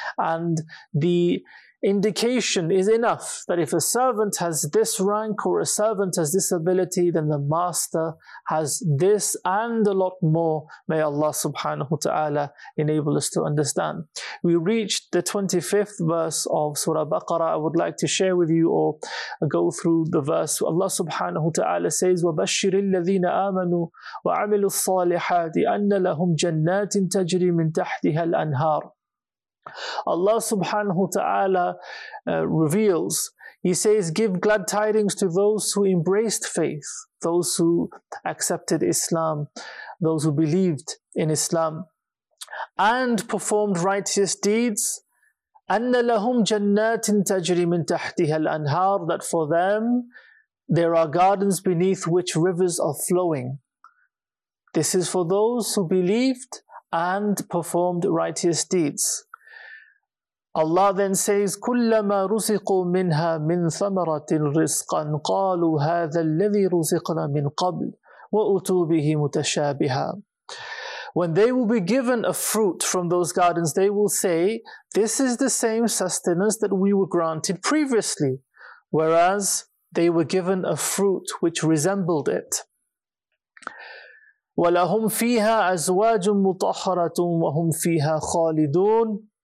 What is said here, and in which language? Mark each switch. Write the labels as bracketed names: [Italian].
[English] And the indication is enough that if a servant has this rank or a servant has this ability, then the master has this and a lot more. May Allah subhanahu wa ta'ala enable us to understand. We reached the 25th verse of Surah Baqarah. I would like to share with you or go through the verse. Allah subhanahu wa ta'ala says, [Arabic] وَبَشِّرِ الَّذِينَ آمَنُوا وَعَمِلُوا الصَّالِحَاتِ أَنَّ لَهُمْ جَنَّاتٍ تَجْرِي مِنْ تَحْتِهَا الْأَنْهَارِ. [English] Allah subhanahu wa ta'ala reveals, he says, give glad tidings to those who embraced faith, those who accepted Islam, those who believed in Islam, and performed righteous deeds. [Arabic] أَنَّ لَهُمْ جَنَّاتٍ تَجْرِي مِنْ تَحْتِهَا الْأَنْهَارِ, [English] that for them, there are gardens beneath which rivers are flowing. This is for those who believed and performed righteous deeds. Allah then says, [Arabic] كُلَّمَا رُزِقُوا مِنْهَا مِنْ ثَمَرَةٍ رِزْقًا قَالُوا هَذَا الَّذِي رُزِقْنَا مِنْ قَبْلٍ وَأُتُوا بِهِ مُتَشَابِهًا. [English] When they will be given a fruit from those gardens, they will say, this is the same sustenance that we were granted previously, whereas they were given a fruit which resembled it. [Arabic] وَلَهُمْ فِيهَا أَزْوَاجٌ مُطَحَّرَةٌ وَهُمْ فِيهَا خَالِدُونَ.